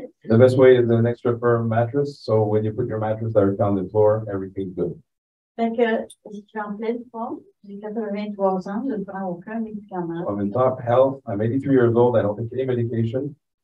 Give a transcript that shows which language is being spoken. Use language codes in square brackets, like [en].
[en] The best way is an extra firm mattress. So, when you put your mattress that are on the floor, everything's good. [fr] Fait que je suis en pleine forme, j'ai 83 ans, je ne prends aucun médicament. [en] I'm in top health, I'm 83 years old, I don't take any medication.